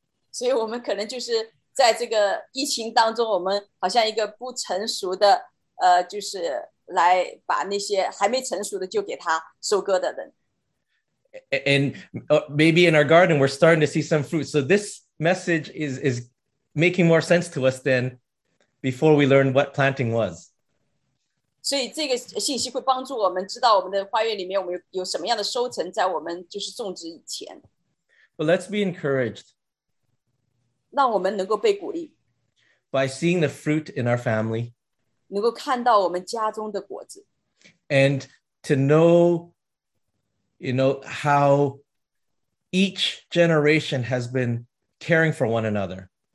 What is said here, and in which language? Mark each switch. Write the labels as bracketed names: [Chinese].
[Chinese] 所以我们可能就是在这个疫情当中，我们好像一个不成熟的，就是来把那些还没成熟的就给他收割的人。 [English] And maybe in our garden, we're starting to see some fruit. So this message is making more sense to us than before we learned what planting was. [Chinese] 所以这个信息会帮助我们知道我们的花园里面我们有什么样的收成在我们就是种植以前。 [English] Well, let's be encouraged. [Chinese] 让我们能够被鼓励。 [English] By seeing the fruit in our family. [Chinese] 能够看到我们家中的果子。 [English] And to know, you know, how each generation has been caring for one another.